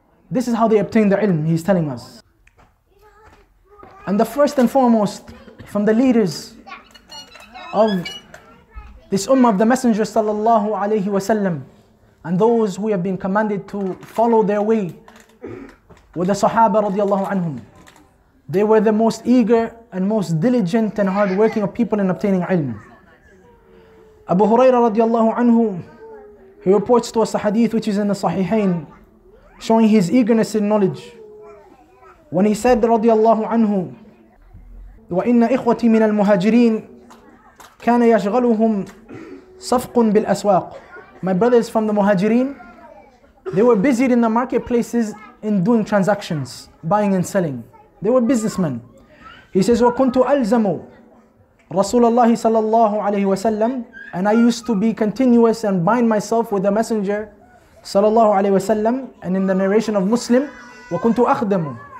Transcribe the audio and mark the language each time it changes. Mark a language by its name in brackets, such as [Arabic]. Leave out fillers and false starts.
[English] This is how they obtain the ilm, he's telling us. And the first and foremost, from the leaders of this ummah of the Messenger sallallahu alayhi wasallam, and those who have been commanded to follow their way, were the Sahaba radiallahu anhum. They were the most eager and most diligent and hardworking of people in obtaining ilm. Abu Huraira radiallahu anhu, He reports to us a hadith which is in the Sahihain, showing his eagerness in knowledge. When he said, [Arabic] radiallahu anhu, وَإِنَّ إِخْوَتِي مِنَ الْمُهَاجِرِينَ كَانَ يَشْغَلُهُمْ صَفْقٌ بِالْأَسْوَاقِ. [English] My brothers from the Muhajirin, they were busied in the marketplaces in doing transactions, buying and selling. They were businessmen. He says, [Arabic] وَكُنْتُ أَلْزَمُ رَسُولَ اللَّهِ صَلَى اللَّهُ عَلَيْهِ وَسَلَّمُ. [English] And I used to be continuous and bind myself with the Messenger sallallahu alayhi wasallam. And in the narration of Muslim, [Arabic] وَكُنْتُ أَخْدَمُ.